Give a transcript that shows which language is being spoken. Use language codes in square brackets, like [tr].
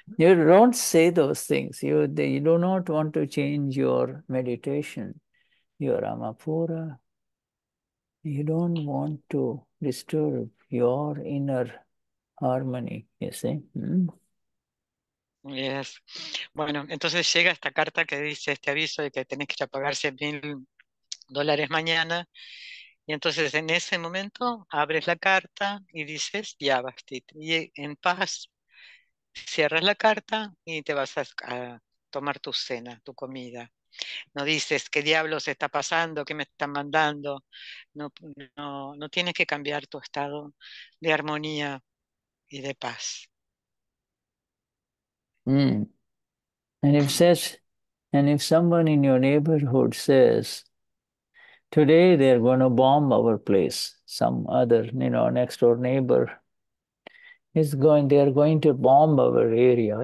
[en] You don't say those things. You do not want to change your meditation, your amapura. You don't want to disturb your inner harmony, you see? Yes. [es] Bueno, entonces llega esta carta que dice este aviso de que tenés que pagar $100,000 mañana. Y entonces en ese momento abres la carta y dices, ya basta. Y en paz cierras la carta y te vas a tomar tu cena, tu comida. No dices, ¿qué diablos está pasando? ¿Qué me están mandando? No, no, no tienes que cambiar tu estado de armonía y de paz. [en] And if says, and if someone in your neighborhood says, today they're going to bomb our place, some other, you know, next door neighbor is going, they're going to bomb our area.